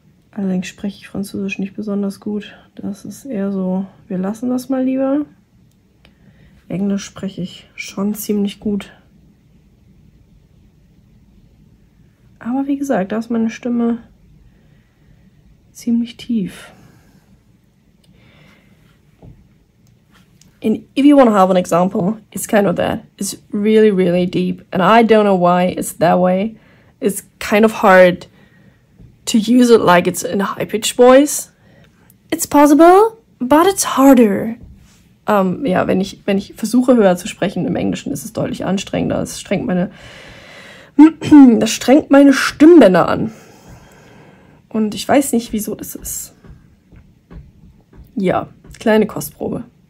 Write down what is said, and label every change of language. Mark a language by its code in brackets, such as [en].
[de] Allerdings spreche ich Französisch nicht besonders gut. Das ist eher so, wir lassen das mal lieber. Englisch spreche ich schon ziemlich gut. Aber wie gesagt, da ist meine Stimme ziemlich tief. [en] And if you want to have an example, it's kind of that. It's really, really deep. And I don't know why it's that way. It's kind of hard to use it like it's in a high-pitched voice. It's possible, but it's harder. [de] Ja, wenn ich versuche, höher zu sprechen im Englischen, ist es deutlich anstrengender. Das strengt meine Stimmbänder an. Und ich weiß nicht, wieso das ist. Ja, kleine Kostprobe.